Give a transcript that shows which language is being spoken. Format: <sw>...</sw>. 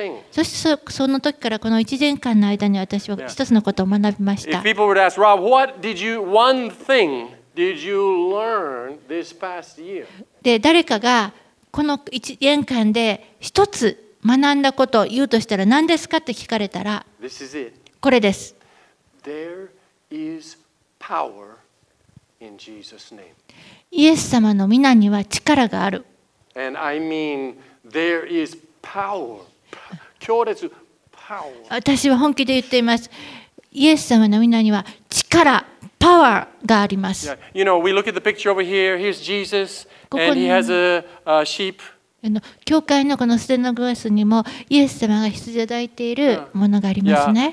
<ja>そしてその時からこの1年間の間に私は一つのことを学びました。</ja> <en>If people were to ask Rob, what did you, one thing did you learn this past year?</en> <ja>で、誰かがこの1年間で一つ学んだことを言うとしたら何ですかって聞かれたらこれです。</ja> <en>There is power in Jesus' name.</en> <ja>イエス様の御名には力がある。</ja> <en>And I mean, there is power.</en> <ja>強烈 power. 私は本気で言っています。イエス様の御名には力、パワーがあります。</ja> <en>Yeah. You know, we look at the picture over here. Here's Jesus, and he has a sheep.</en> <ja>教会のこのステンドグラスにもイエス様が羊を抱いているものがありますね。</ja>